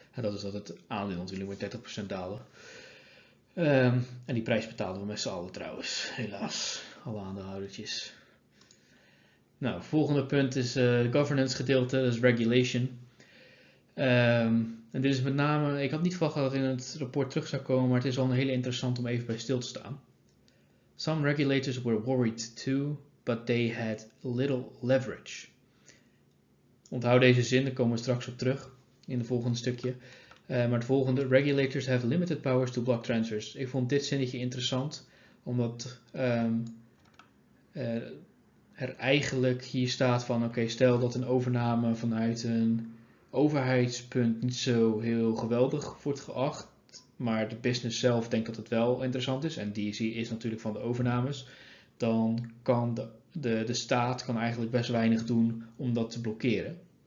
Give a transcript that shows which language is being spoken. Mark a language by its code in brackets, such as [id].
[nl] En dat is dat het aandeel natuurlijk met 30% dalen. En die prijs betalen we met z'n allen trouwens. Helaas, alle aandeelhoudertjes. Nou, volgende punt is het governance gedeelte, dat is regulation. En dit is met name, ik had niet verwacht dat het in het rapport terug zou komen, maar het is wel een hele interessant om even bij stil te staan. [en] Some regulators were worried too, but they had little leverage. [nl] Onthoud deze zin, daar komen we straks op terug in het volgende stukje. Maar het volgende, [en] regulators have limited powers to block transfers. [nl] Ik vond dit zinnetje interessant, omdat er eigenlijk hier staat van, oké, stel dat een overname vanuit een overheidspunt niet zo heel geweldig wordt geacht, maar de business zelf denkt dat het wel interessant is, en DC is natuurlijk van de overnames, dan kan de staat kan eigenlijk best weinig doen om dat te blokkeren.